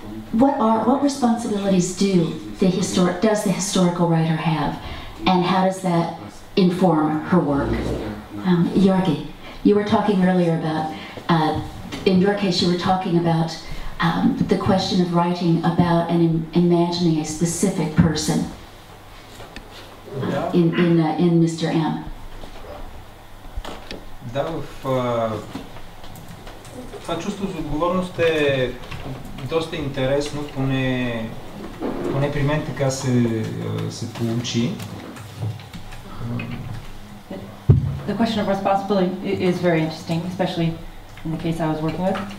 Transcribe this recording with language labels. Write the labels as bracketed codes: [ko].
[en] What responsibilities does the historical writer have, and how does that inform her work? Jörgi, you were talking earlier about, in your case, you were talking about the question of writing about and imagining a specific person in Mr. M. [bg] Да, това чувство за отговорност е доста интересно, поне при мен така се получи. [en] The question of responsibility is very interesting, especially in the case I was working with.